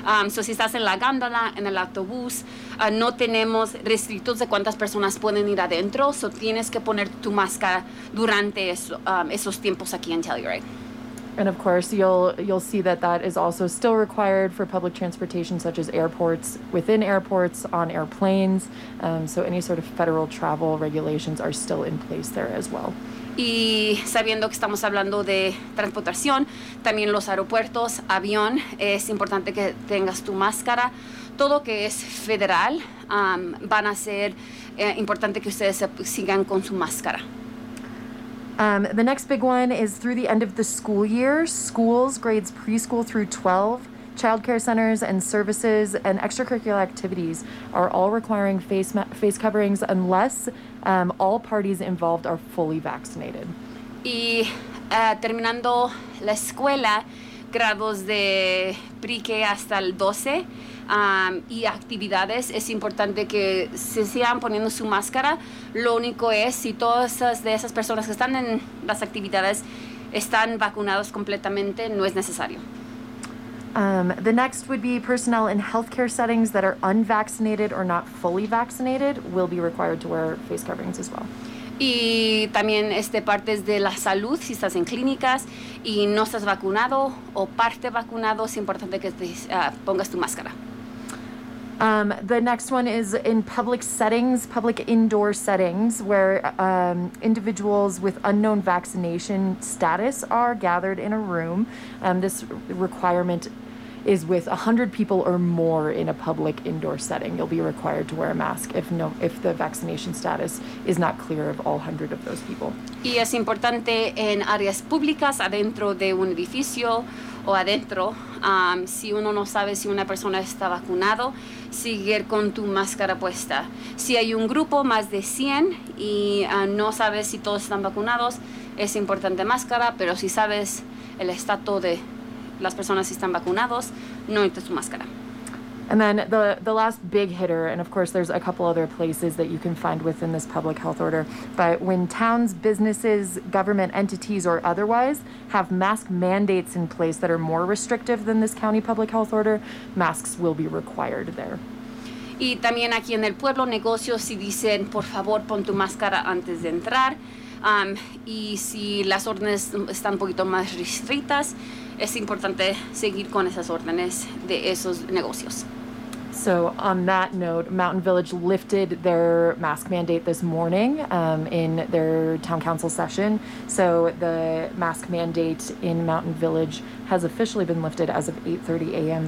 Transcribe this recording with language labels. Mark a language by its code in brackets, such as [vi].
[es] So si estás en la gondola, en el autobús, no tenemos restrictos de cuántas personas pueden ir adentro, so tienes que poner tu máscara durante esos tiempos aquí en Telluride. [en] And of course, you'll see that is also still required for public transportation, such as airports, within airports, on airplanes. So any sort of federal travel regulations are still in place there as well. [es] Y sabiendo que estamos hablando de transportación, también los aeropuertos, avión, es importante que tengas tu máscara. Todo que es federal, van a ser importante que ustedes sigan con su máscara. [en] The next big one is through the end of the school year, schools, grades preschool through 12, childcare centers and services and extracurricular activities are all requiring face coverings unless all parties involved are fully vaccinated. [es] Y terminando la escuela, grados de pre-K hasta el 12 y actividades, es importante que se sigan poniendo su máscara. Lo único es si todas esas personas que están en las actividades están vacunados completamente, no es necesario. [en] The next would be personnel in healthcare settings that are unvaccinated or not fully vaccinated will be required to wear face coverings as well. [es] Y también partes de la salud, si estás en clínicas y no estás vacunado o parte vacunado, es importante que te pongas tu máscara. [en] The next one is in public settings, public indoor settings, where individuals with unknown vaccination status are gathered in a room. This requirement is with 100 people or more in a public indoor setting. You'll be required to wear a mask if the vaccination status is not clear of all 100 of those people. [es] Y es importante en áreas públicas, adentro de un edificio o adentro, si uno no sabe si una persona está vacunado, seguir con tu máscara puesta. Si hay un grupo más de 100 y no sabes si todos están vacunados, es importante máscara, pero si sabes el estatus de las personas si están vacunados, no necesitas tu máscara. [en] And then the last big hitter, and of course there's a couple other places that you can find within this public health order, but when towns, businesses, government entities, or otherwise have mask mandates in place that are more restrictive than this county public health order, masks will be required there. [es] Y también aquí en el pueblo, negocios, si dicen, por favor, pon tu máscara antes de entrar, y si las órdenes están un poquito más restrictas, es importante seguir con esas órdenes de esos negocios. [en] So on that note, Mountain Village lifted their mask mandate this morning in their town council session. So the mask mandate in Mountain Village has officially been lifted as of 8:30 a.m.